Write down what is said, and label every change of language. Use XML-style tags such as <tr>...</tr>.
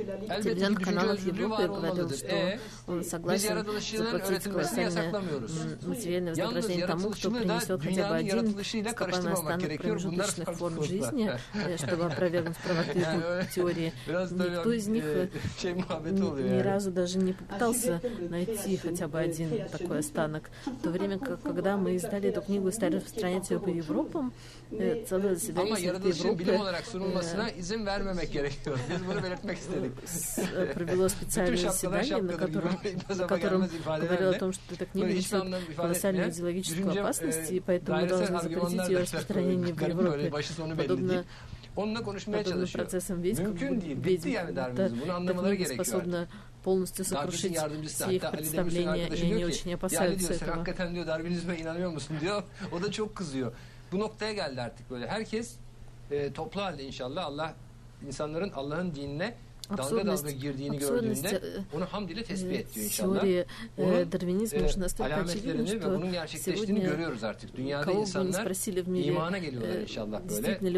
<tr>Elbette ki düşünce özgürlüğü var olmalıdır. Biz yaratılışçıların öğretilmesini yasaklamıyoruz. Yalnız yaratılışçıları da dünyanın yaratılışıyla karıştırmamak gerekiyor. Bunlar farklı konuda. Yani öyle biraz tabii şey muhabbeti oluyor yani.</tr> <ru>Ни разу даже не попытался найти хотя бы один такой останок. В то время, когда мы издали эту книгу и стали распространять ее по Европам, целое заседание</ru> <tr>Европы... Ama yaratılışın bilim olarak sunulmasına izin vermemek gerekiyor. Biz bunu belirtmek istedik.</tr> <ru>Провело специальное заседание, на котором говорил о том, что эта книга несет колоссальную идеологическую опасность, и поэтому мы должны запретить ее распространение в Европе. Подобно подобным процессам ведьм, эта книга способна полностью сокрушить все их представления, и они очень опасаются этого.</ru> <tr>Yani diyor, sen hakikaten darwinizme inanıyor musun diyor, o da çok kızıyor. Bu noktaya geldi artık böyle. Herkes toplu halde inşallah Allah insanların Allah'ın dinine dalga dalga girdiğini gördüğünde onu hamd ile tespit ediyor inşallah. Teoriye, darwinizm için nasıl alametlerini ve bunun gerçekleştiğini görüyoruz artık. Dünyada insanlar imana geliyorlar inşallah böyle.</tr>